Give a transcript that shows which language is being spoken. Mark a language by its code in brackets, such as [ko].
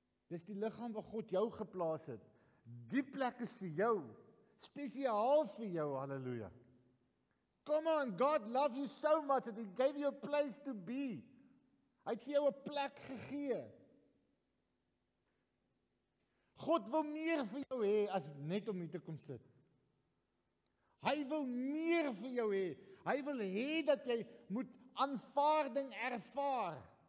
[af] Dis die liggaam wat God jou geplaas het. Die plek is vir jou. Spesiaal vir jou, halleluja. [en] Come on, God loves you so much that he gave you a place to be. [af] Hy het vir jou 'n plek gegee. God wil meer vir jou hê as net om hier te kom sit. Hy wil meer vir jou hê. Hy wil hê dat jy moet aanvaarding ervaar.